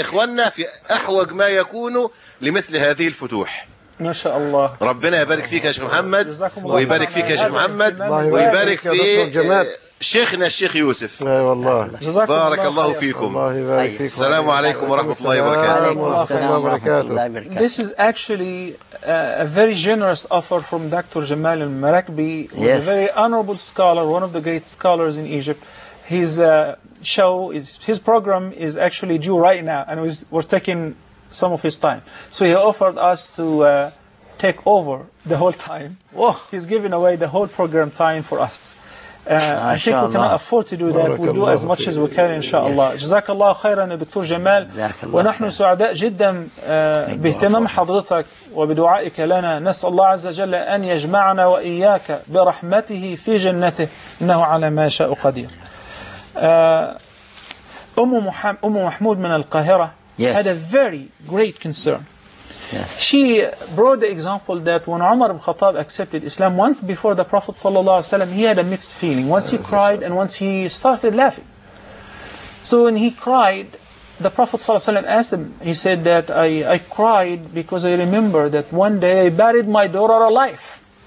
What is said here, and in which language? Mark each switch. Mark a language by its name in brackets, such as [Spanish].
[Arabic] إخواننا في أحوج ما يكون لمثل هذه الفتوح. ما شاء الله. ربنا يبارك فيك يا شيخ محمد. جزاكم الله. ويبارك فيك يا شيخ محمد. ويبارك في شيخنا الشيخ يوسف. أي والله. بارك الله, الله فيكم. الله يبارك فيكم. السلام عليكم ورحمة الله وبركاته. السلام وبركاته. [English] This is actually a very generous offer from Dr. Jamal al-Marakbi, who yes. is a very honorable scholar, one of the great scholars in Egypt. His show, his program is actually due right now, and we're taking some of his time. So he offered us to take over the whole time. Whoa. He's giving away the whole program time for us. I think we cannot afford to do that. We'll do as much as we can, inshallah. [Arabic] جزاك الله خيرا يا دكتور جمال. ونحن سعداء جدا باهتمام حضرتك وبدعائك لنا. نسأل الله عز وجل أن يجمعنا وإياك برحمته في جنته, إنه على ما شاء قدير. أم محمود من القاهرة [English] had a very great concern. Yes. She brought the example that when Umar ibn Khattab accepted Islam, once before the Prophet sallallahu alaihi wasallam, he had a mixed feeling. Once he cried and once he started laughing. So when he cried, the Prophet sallallahu alaihi wasallam asked him, he said that I cried because I remember that one day I buried my daughter alive.